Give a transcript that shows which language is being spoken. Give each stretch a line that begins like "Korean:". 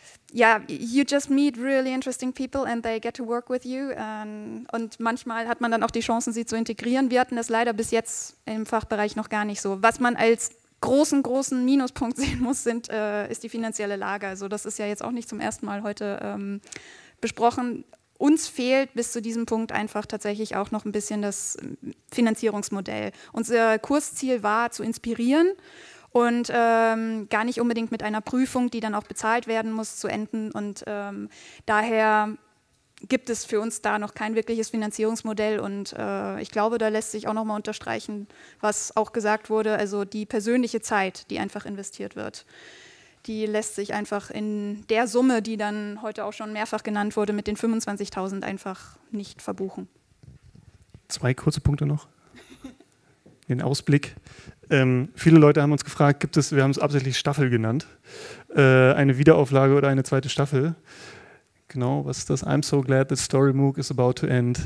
English: Yeah, you just meet really interesting people and they get to work with you.
German: Und manchmal hat man dann auch die Chancen, sie zu integrieren. Wir hatten das leider bis jetzt im Fachbereich noch gar nicht so. Was man als großen, großen Minuspunkt sehen muss, ist die finanzielle Lage. Also das ist ja jetzt auch nicht zum ersten Mal heute besprochen. Uns fehlt bis zu diesem Punkt einfach tatsächlich auch noch ein bisschen das Finanzierungsmodell. Unser Kursziel war, zu inspirieren. Und gar nicht unbedingt mit einer Prüfung, die dann auch bezahlt werden muss, zu enden. Und daher gibt es für uns da noch kein wirkliches Finanzierungsmodell. Und ich glaube, da lässt sich auch nochmal unterstreichen, was auch gesagt wurde, also die persönliche Zeit, die einfach investiert wird, die lässt sich einfach in der Summe, die dann heute auch schon mehrfach genannt wurde, mit den 25.000 einfach nicht verbuchen. Zwei kurze Punkte noch. Den Ausblick. Viele Leute haben uns gefragt, wir haben es absichtlich Staffel genannt, eine Wiederauflage oder eine zweite Staffel. Genau, was ist das?
English: I'm so glad that Story MOOC is about to end.